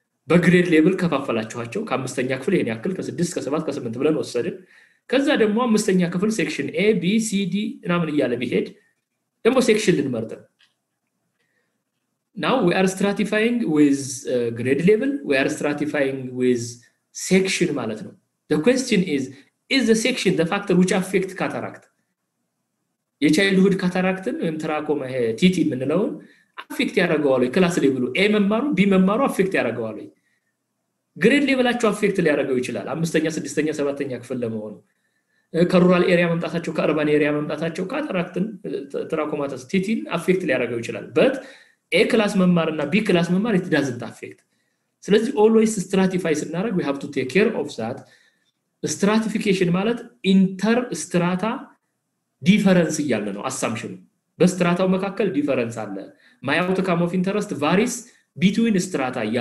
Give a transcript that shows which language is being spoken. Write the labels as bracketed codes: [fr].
[am] በግሬድ ሌቭል ከፋፈላችኋቸው ከአምስተኛ ክፍል ይሄን ያክል ከስድስት ከሰባት ከስምንት ብለን ወሰድን ከዛ ደግሞ አምስተኛ ክፍል ሴክሽን A B C D እናምን ይያለ ቢሄድ ደግሞ ሴክሽን ልንመርጥ [en] Now we are stratifying with grade level. We are stratifying with section [am] ማለት ነው. [en] The question is the section the factor which affect cataract? [am] የቻይልድሁድ ካታራክትን ወይም ትራኮማ ሄ ቲቲ የምንለው አፌክት ያደርጋዋል ወይ? ክላስ ሌቭሉ A መማሩ B መማሩ አፌክት ያደርጋዋል ወይ? ግሬድ ሌቭላቸው አፌክት ሊያደርገው ይችላል. አምስተኛ ስድስተኛ ሰባተኛ ክፍል ለመሆኑ ከሩራል ኤሪያ መምጣታቸው ከአርባን ኤሪያ መምጣታቸው ካታራክትን ትራኮማ ተስ ቲቲን አፌክት ሊያደርገው ይችላል. [en] but A class memar and B class memar it doesn't affect. So let's always stratify it. We have to take care of that. Stratification means inter-strata difference. Assumption. The strata is the difference. My outcome of interest varies between strata.